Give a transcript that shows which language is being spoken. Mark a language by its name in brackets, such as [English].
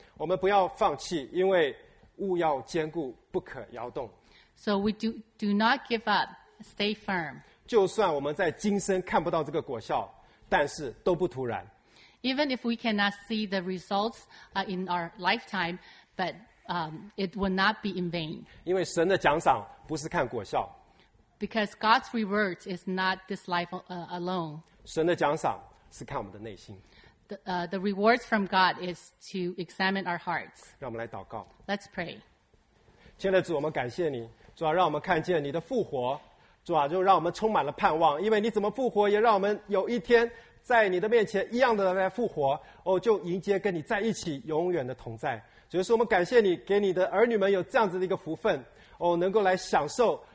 [Chinese] 我们不要放弃，因为务要坚固，不可摇动。 [English] So we do not give up, stay firm. [Chinese] 就算我们在今生看不到这个果效，但是都不突然。 [English] Even if we cannot see the results in our lifetime, but it will not be in vain. [Chinese] 因为神的奖赏不是看果效。 [English] Because God's rewards is not this life alone. [Chinese] 神的奖赏是看我们的内心。 [English] The rewards from God is to examine our hearts. [Chinese] 让我们来祷告。 [English] Let's pray. [Chinese] 亲爱的主，我们感谢你，主啊，让我们看见你的复活，主啊，就让我们充满了盼望，因为你怎么复活，也让我们有一天在你的面前一样的来复活，哦，就迎接跟你在一起永远的同在。主啊，我们感谢你，给你的儿女们有这样子的一个福分，哦，能够来享受。